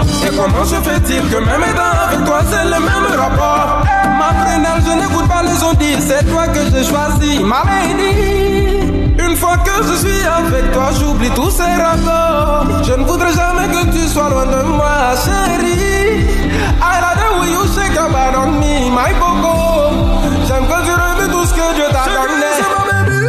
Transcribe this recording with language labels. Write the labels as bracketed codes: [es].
[fr] Et comment je fais-t-il que même étant avec toi, c'est le même rapport. Ma prénale, je n'écoute pas les ondes, c'est toi que j'ai choisi. Ma lady, une fois que je suis avec toi, j'oublie tous ces rapports. Je ne voudrais jamais que tu sois loin de moi, chérie. [en] I love you, you shake your body on me, my coco. [fr] J'aime quand tu revis tout ce que Dieu t'a donné.